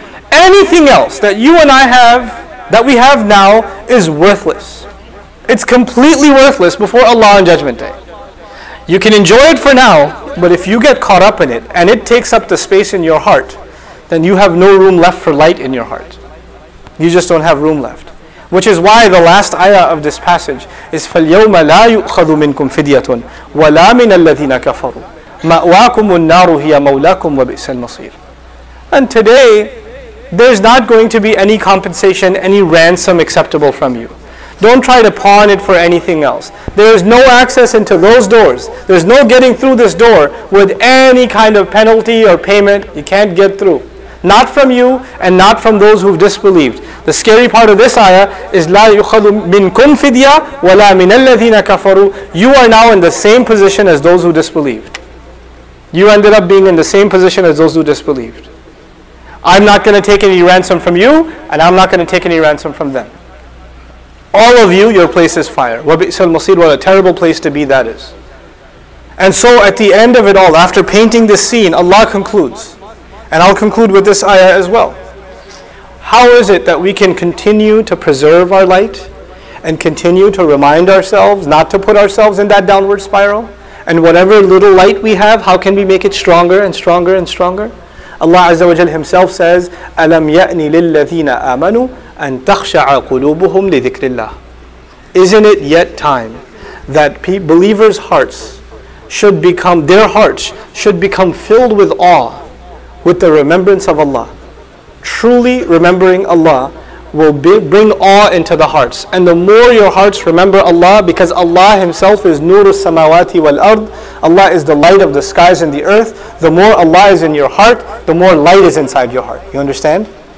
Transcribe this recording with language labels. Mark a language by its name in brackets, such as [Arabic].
[English] Anything else that you and I have, that we have now, is worthless. It's completely worthless before Allah on Judgment Day. You can enjoy it for now, but if you get caught up in it, and it takes up the space in your heart, then you have no room left for light in your heart. You just don't have room left. Which is why the last ayah of this passage is [Arabic] فَالْيَوْمَ لَا يُؤْخَذُ مِنْكُمْ فِدْيَةٌ وَلَا مِنَ الَّذِينَ كَفَرُوا مَأْوَاكُمُ النَّارُ هِيَ مَوْلَاكُمْ وَبِئْسَ الْمَصِيرُ. [English] And today, there's not going to be any compensation, any ransom acceptable from you. Don't try to pawn it for anything else. There is no access into those doors. There's no getting through this door with any kind of penalty or payment. You can't get through. Not from you and not from those who've disbelieved. The scary part of this ayah is [Arabic] لَا يُخَذُ مِنْكُمْ فِدْيَا وَلَا مِنَ الَّذِينَ كَفَرُوا. [English] You are now in the same position as those who disbelieved. You ended up being in the same position as those who disbelieved. I'm not going to take any ransom from you, and I'm not going to take any ransom from them. All of you, your place is fire. [Arabic] وَبِئْسَ الْمَصِيرُ. [English] What a terrible place to be that is. And so at the end of it all, after painting this scene, Allah concludes. And I'll conclude with this ayah as well. How is it that we can continue to preserve our light and continue to remind ourselves not to put ourselves in that downward spiral? And whatever little light we have, how can we make it stronger and stronger and stronger? Allah Azza wa Jal Himself says, [Arabic] أَلَمْ يَأْنِ لِلَّذِينَ آمَنُوا أَن تَخْشَعَ قُلُوبُهُمْ لِذِكْرِ اللَّهِ. [English] Isn't it yet time that believers' hearts should become, their hearts should become filled with awe with the remembrance of Allah? Truly remembering Allah will bring awe into the hearts. And the more your hearts remember Allah, because Allah Himself is [Arabic] Nur as-Samawati wal-Ard, [English] Allah is the light of the skies and the earth, the more Allah is in your heart, the more light is inside your heart. You understand?